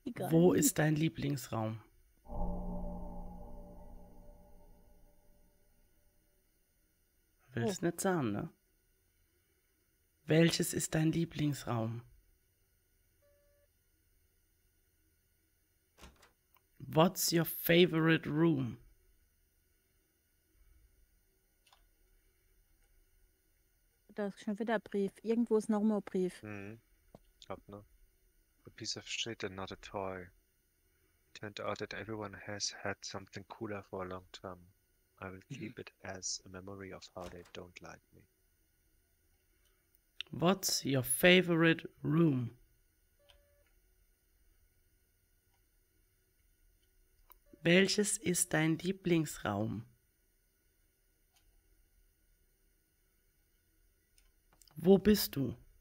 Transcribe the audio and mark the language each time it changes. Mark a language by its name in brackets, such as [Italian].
[German] Wo ist dein Lieblingsraum? Willst nicht sagen, ne? Welches ist dein Lieblingsraum? [English] What's your favorite room? [German] Da ist schon wieder ein Brief. Irgendwo ist noch mal ein Brief. Ich glaub, ne? [English] A piece of shit and not a toy. Turned out that everyone has had something cooler for a long time. I will keep it as a memory of how they don't like me. What's your favorite room? [German] Welches ist dein Lieblingsraum? Wo bist du?